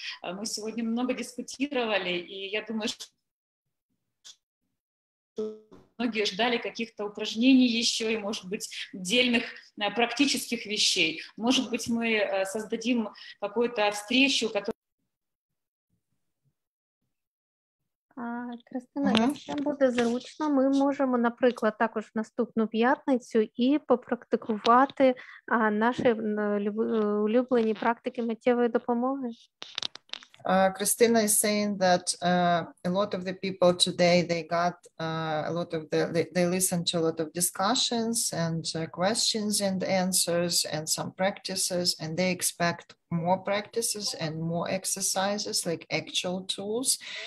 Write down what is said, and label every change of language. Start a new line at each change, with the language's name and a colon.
Russian: Мы сегодня много дискутировали, и я думаю, что многие ждали каких-то упражнений еще и, может быть, дельных практических вещей. Может быть, мы создадим какую-то встречу, которая...
Ukrainian: Кристина, якщо буде зручно, ми можемо, наприклад, також в наступну п'ятницю і попрактикувати наші улюблені практики миттєвої допомоги.
English: Christina is saying that a lot of the people today, they got they listened to a lot of discussions and questions and answers and some practices, and they expect more practices and more exercises, like actual tools.